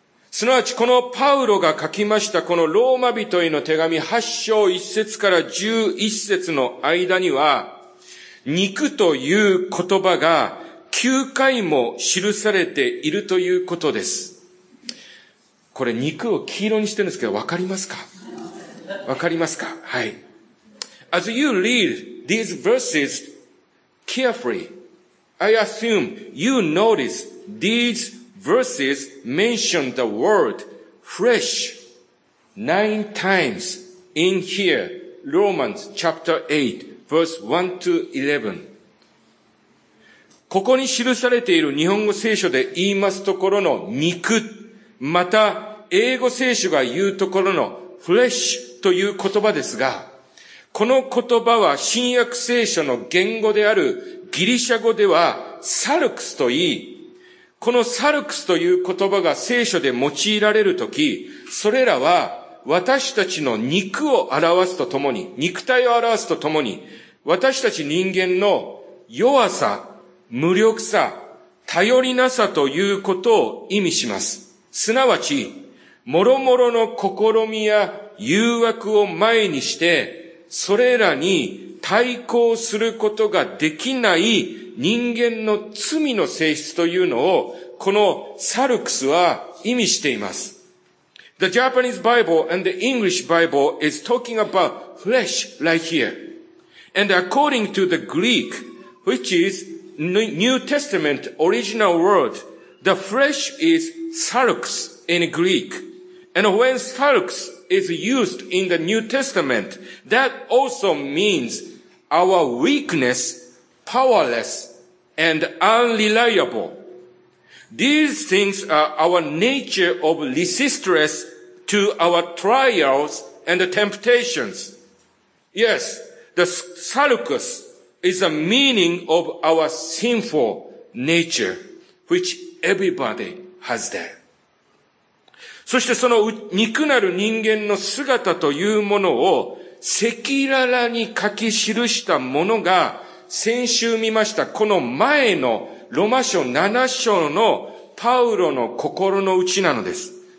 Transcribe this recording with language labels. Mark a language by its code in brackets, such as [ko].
[ja] すなわち、このパウロが書きました、このローマ人への手紙8章1節から11節の間には、肉という言葉が9回も記されているということです。これ、肉を黄色にしてるんですけど、わかりますか？わかりますか？はい。 [en] As you read these verses carefully, I assume you notice these verses mention the word flesh 9 times in here, Romans chapter 8, verse 1 to 11. [ja] ここに記されている日本語聖書で言いますところの肉、また英語聖書が言うところの flesh という言葉ですが、この言葉は新約聖書の言語であるギリシャ語ではサルクスと言い、このサルクスという言葉が聖書で用いられるとき、それらは私たちの肉を表すとともに、肉体を表すとともに、私たち人間の弱さ、無力さ、頼りなさということを意味します。すなわち、もろもろの試みや誘惑を前にして、それらに対抗することができない人間の罪の性質というのをこのサルクスは意味しています。 [en] The Japanese Bible and the English Bible is talking about flesh right here. And according to the Greek, which is New Testament original word, the flesh is sarks in Greek. And when sarks is used in the New Testament, that also means our weakness, powerless, and unreliable. These things are our nature of resistance to our trials and the temptations. Yes, the sarcus is a meaning of our sinful nature, which everybody has there. [ja] そしてその肉なる人間の姿というものを赤裸々に書き記したものが先週見ましたこの前のロマ書7章のパウロの心の内なのです。